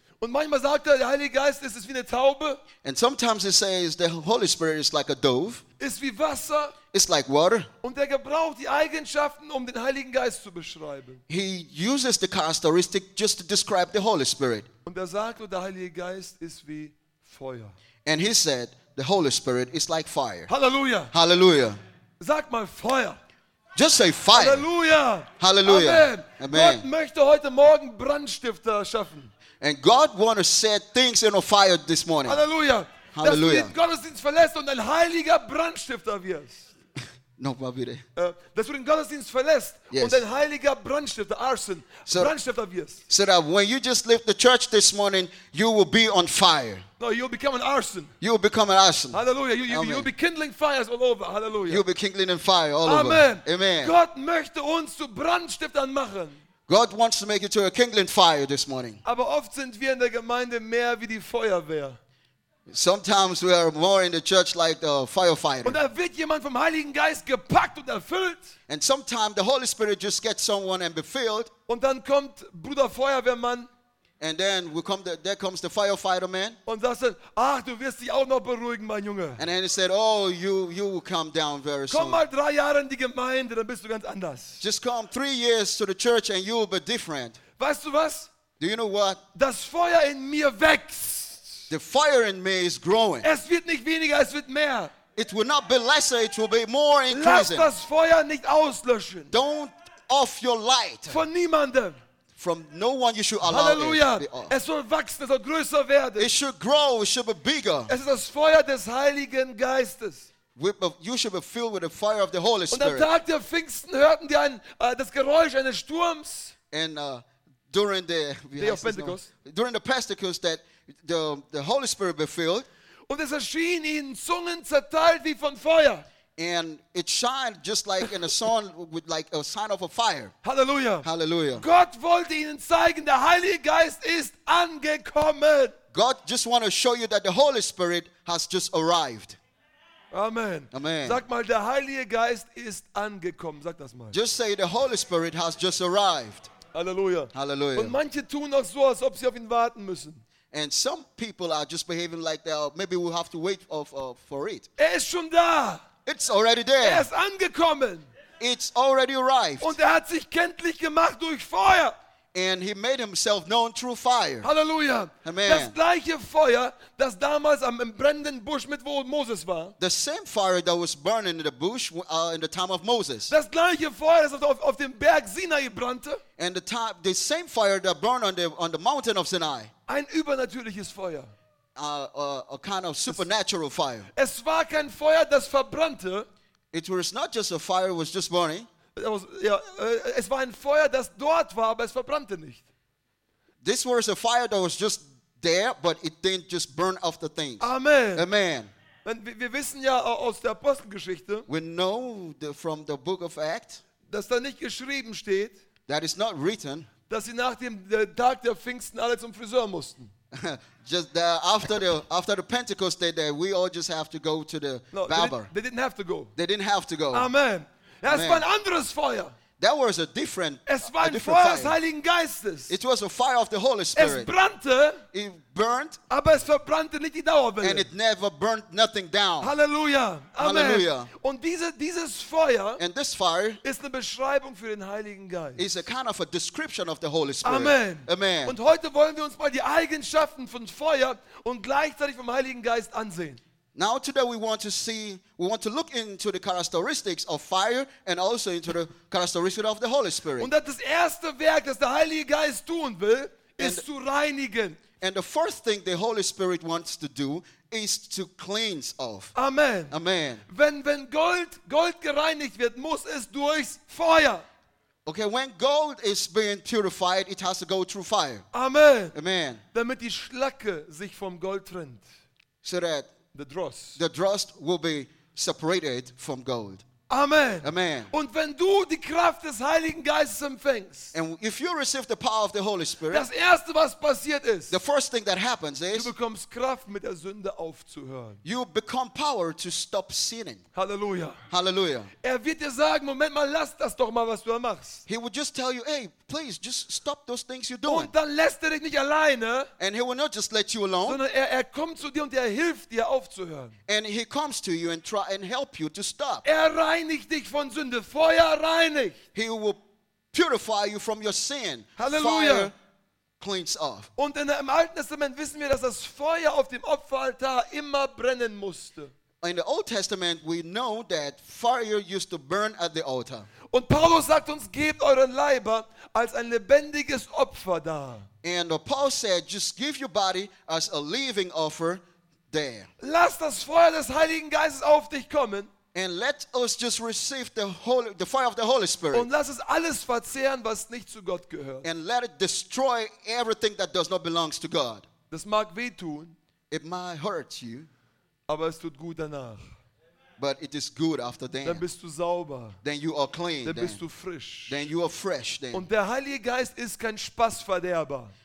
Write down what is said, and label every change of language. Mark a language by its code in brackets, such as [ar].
[de] Und manchmal sagt er, der Heilige Geist ist wie eine Taube. [en] And sometimes he says the Holy Spirit is like a dove. [de] Ist wie Wasser. [en] It's like water. [de] Und er gebraucht die Eigenschaften, um den Heiligen Geist zu beschreiben. [en] He uses the characteristic just to describe the Holy Spirit. [de] Und er sagt, der Heilige Geist ist wie Feuer. [en] And he said the Holy Spirit is like fire. Hallelujah. Hallelujah. [de] Sag mal Feuer. [en] Just say fire. Hallelujah. Hallelujah. Amen. Amen. [de] Gott möchte heute Morgen Brandstifter schaffen. [en] And God wants to set things on fire this morning. Hallelujah. Hallelujah. [de] Dass du den Gottesdienst verlässt und ein heiliger Brandstifter wirst. [en] No, [de] bitte. Dass du den Gottesdienst verlässt [en] yes. [de] und ein heiliger Brandstifter, arson, so, Brandstifter wirst. [en] So that when you just leave the church this morning, you will be on fire. No, you'll become an arson. You'll become an arson. Hallelujah. You'll be kindling fires all over. Hallelujah. You'll be kindling in fire all Amen. Over. Amen. [de] Gott möchte uns zu Brandstiftern machen. [en] God wants to make you to a kindling fire this morning. [de] Aber oft sind wir in der Gemeinde mehr wie die Feuerwehr. [en] Sometimes we are more in the church like the firefighter. [de] Und da wird jemand vom Heiligen Geist gepackt und erfüllt. [en] And sometimes the Holy Spirit just gets someone and be filled. [de] Und dann kommt Bruder Feuerwehrmann. [en] And then there comes the firefighter man. [de] Und das sagt, ach, du wirst dich auch noch beruhigen, mein Junge. [en] And then he said, oh, you will calm down very soon. [de] Komm mal 3 Jahre in die Gemeinde, dann bist du ganz anders. [en] Just come 3 years to the church and you will be different. [de] Weißt du was? [en] Do you know what? [de] Das Feuer in mir wächst. [en] The fire in me is growing. [de] Es wird nicht weniger, es wird mehr. [en] It will not be lesser, it will be more increasing. [de] Lass das Feuer nicht auslöschen. [en] Don't off your light. [de] Von niemandem. [en] from no one you should allow Hallelujah. It. Hallelujah. [de] Es soll wachsen, es soll größer werden. [en] It should grow, it should be bigger. [de] Es ist das Feuer des Heiligen Geistes. [en] You should be filled with the fire of the Holy Spirit. [de] Und am Tag der Pfingsten hörten die ein das Geräusch eines Sturms. [en] And during the Pentecost that the Holy Spirit be filled. [de] Und es erschien ihnen Zungen zerteilt wie von Feuer. [en] And it shined just like in a sun with like a sign of a fire. Hallelujah. Hallelujah. [de] Gott wollte ihnen zeigen, der Heilige Geist ist angekommen. [en] God just want to show you that the Holy Spirit has just arrived. Amen. Amen. [de] Sag mal, der Heilige Geist ist angekommen. Sag das mal. [en] Just say the Holy Spirit has just arrived. Hallelujah. Hallelujah. [de] Und manche tun noch so, als ob sie auf ihn warten müssen. [en] And some people are just behaving like they maybe we'll have to wait for it. [de] Er ist schon da. [en] It's already there. [de] Er ist angekommen. [en] It's already arrived. [de] Und er hat sich kenntlich gemacht durch Feuer. [en] And he made himself known through fire. Hallelujah. Amen. [de] Das gleiche Feuer, das damals am brennenden Busch mit wo Moses war. [en] The same fire that was burning in the bush in the time of Moses. [de] Das gleiche Feuer, das auf dem Berg Sinai brannte. [en] And the same fire that burned on the mountain of Sinai. [de] Ein übernatürliches Feuer. [en] A kind of supernatural fire. [de] Es war kein Feuer, das verbrannte. [en] It was not just a fire, it was just burning. [de] Es war ein Feuer, das dort war, aber es verbrannte nicht. [en] This was a fire that was just there, but it didn't just burn off the things. Amen. Amen. [de] Wir wissen ja aus der Apostelgeschichte, [en] we know from the book of Acts, [de] dass da nicht geschrieben steht, [en] that is not written, [de] dass sie nach dem Tag der Pfingsten alle zum Friseur mussten. [en] Just after the Pentecost day, that we all just have to go to the barber. They didn't have to go. They didn't have to go. Amen. [de] Es war ein anderes Feuer. [en] That was a different. [de] Es war ein Feuer des Heiligen Geistes. [en] It was a fire of the Holy Spirit. [de] Es brannte. [en] It burned. [de] Aber es verbrannte nicht die Dauerwelle. [en] And it never burnt nothing down. Hallelujah. Hallelujah. [de] Und dieses Feuer. [en] And this fire [de] ist eine Beschreibung für den Heiligen Geist. [en] Is a kind of a description of the Holy Spirit. Amen. Amen. [de] Und heute wollen wir uns mal die Eigenschaften von Feuer und gleichzeitig vom Heiligen Geist ansehen. [en] Now today we want to look into the characteristics of fire and also into the characteristics of the Holy Spirit. [de] Und das erste Werk, das der Heilige Geist tun will, ist zu reinigen. [en] And the first thing the Holy Spirit wants to do is to cleanse off. Amen. Amen. [de] Wenn Gold gereinigt wird, muss es durchs Feuer. [en] Okay, when gold is being purified, it has to go through fire. Amen. Amen. [de] Damit die Schlacke sich vom Gold trennt. [en] So that The dross will be separated from gold. Amen. Amen. [de] Und wenn du die Kraft des Heiligen Geistes empfängst, [en] and if you receive the power of the Holy Spirit, [de] das erste, was passiert ist, [en] the first thing that happens is, [de] du bekommst Kraft, mit der Sünde aufzuhören. [en] You become power to stop sinning. Hallelujah. Hallelujah. [de] Er wird dir sagen, Moment mal, lass das doch mal, was du machst. [en] He would just tell you, hey, please, just stop those things you're doing. [de] Und dann lässt er dich nicht alleine, [en] and he will not just let you alone, [de] sondern er kommt zu dir und er hilft dir aufzuhören. [en] And he comes to you and try and help you to stop. [de] Reinigt dich von Sünde. Feuer reinigt. [en] He will purify you from your sin. Hallelujah. Fire cleans off. [de] Und im Alten Testament wissen wir, dass das Feuer auf dem Opferaltar immer brennen musste. [en] In the Old Testament we know that fire used to burn at the altar. [de] Und Paulus sagt uns, gebt euren Leiber als ein lebendiges Opfer dar. [en] And Paul said, just give your body as a living offer there. [de] Lass das Feuer des Heiligen Geistes auf dich kommen. [en] And let us just receive the fire of the Holy Spirit. [de] Und lass es alles verzehren, was nicht zu Gott gehört. [en] And let it destroy everything that does not belong to God. [de] Das mag wehtun. [en] It might hurt you. [de] Aber es tut gut danach. [en] But it is good after then. [de] Dann bist du sauber. [en] Then you are clean. [de] Dann bist du frisch. [en] Then you are fresh. Then. [de] Und der Heilige Geist ist kein Spaßverderber.